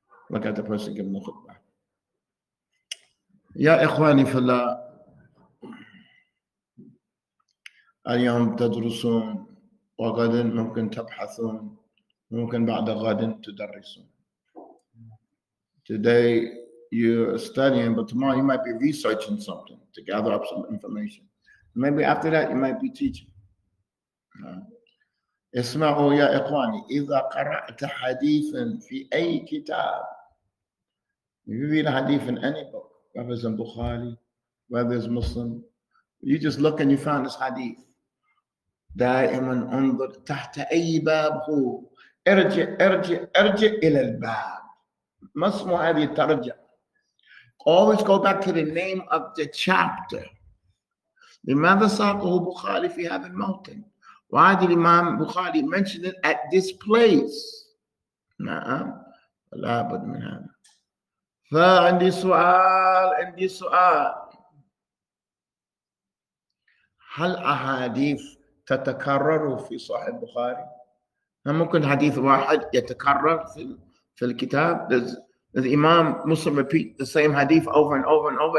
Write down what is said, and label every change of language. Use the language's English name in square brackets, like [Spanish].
[English] Look at the person giving the khutbah. [Arabic] يا إخواني في الله، اليوم تدرسون وغدا ممكن تبحثون. ممكن بعد غد تدرسون. [English] Today you're studying, but tomorrow you might be researching something to gather up some information. Maybe after that you might be teaching. [Arabic] اسمعوا يا إخواني إذا قرأت حديثا في أي كتاب. [English] If you read a hadith in any book, whether it's in Bukhari, whether it's Muslim, you just look and you found this hadith. [Arabic] دائما انظر تحت أي باب هو. ارجع إلى الباب. ما اسمه هذه الترجع. [English] Always go back to the name of the chapter. [Arabic] لماذا ساقه بخاري في هذا الموطن؟ [English] Why did Imam Bukhari mention it at this place? [Arabic] نعم. لابد من هذا. فعندي سؤال. هل أحاديث تتكرر في صحيح بخاري؟ ممكن حديث واحد يتكرر في الكتاب. [English] Does Imam Muslim repeat the same hadith over and over and over?